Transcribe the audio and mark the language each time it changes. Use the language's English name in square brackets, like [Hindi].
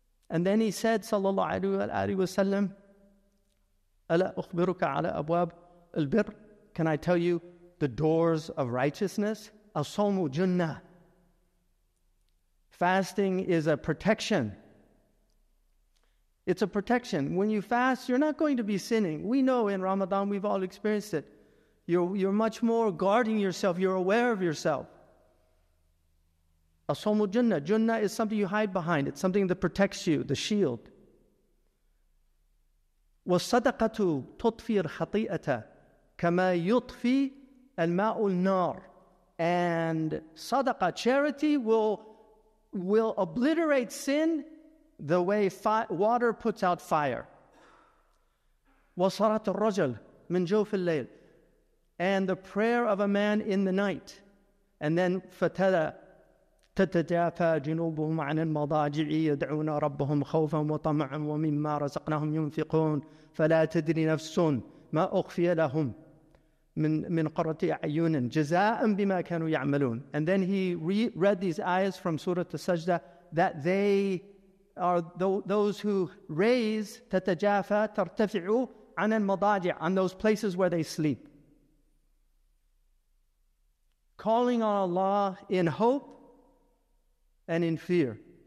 [English] And then he said, [Arabic] صلى الله عليه وسلم, ألا أخبرك على أبواب البر? [English] Can I tell you the doors of righteousness? [Arabic] الصوم جنة. [English] Fasting is a protection. It's a protection. When you fast, you're not going to be sinning. We know in Ramadan, we've all experienced it. You're much more guarding yourself. You're aware of yourself. Asomu Jannah. Jannah is something you hide behind. It's something that protects you, the shield. [Arabic] وَالصَّدَقَةُ تُطْفِي الْخَطِيئَةَ كَمَا يُطْفِي الْمَاءُ النَّارِ. [English] And sadaqah, charity, will obliterate sin the way water puts out fire. [Arabic] وصلاة الرجل من جوف الليل. [English] And the prayer of a man in the night. And then [Arabic] فتلا تتجافى جنوبهم عن المضاجع يدعون ربهم خوفا وطمعا ومما رزقناهم ينفقون فلا تدري نفس ما أخفي لهم من قرة أعين جزاء بما كانوا يعملون. [English] And then he read these ayahs from Surah Sajda that they are those who raise [Arabic] تتجافى ترتفع عن المضاجع, [English] on those places where they sleep. Calling on Allah in hope and in fear.